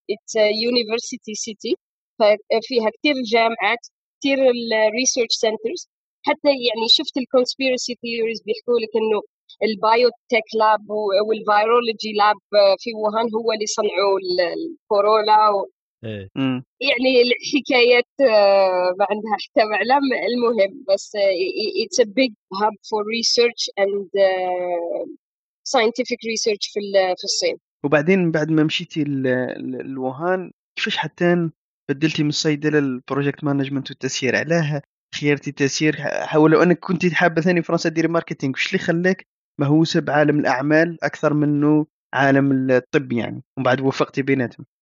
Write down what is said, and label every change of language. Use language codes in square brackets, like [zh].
[en] it's a university city، [ar] ففيها كتير جامعات، كتير الريسيرش سنترز. حتى يعني شفت الكونسبيرسي ثيوريز بيحكوا لك إنه البيوتك لاب والفيرولوجي لاب في ووهان هو اللي صنعوا الكورونا يعني الحكايات ما عندها حتى معلم. المهم بس [en] it's a big hub for research and scientific research [ar] في الصين. وبعدين بعد ما مشيتي الوهان كيفاش حتى بدلتي من الصيدلة البروجكت مانجمنت والتسيير، علاها خيرتي التسيير ولو أنك كنت حابة ثاني فرنسا ديري ماركتينج، وش اللي خلاك مهووسة بعالم الأعمال أكثر منه عالم الطب يعني، وبعد وفقتي بيناتهم؟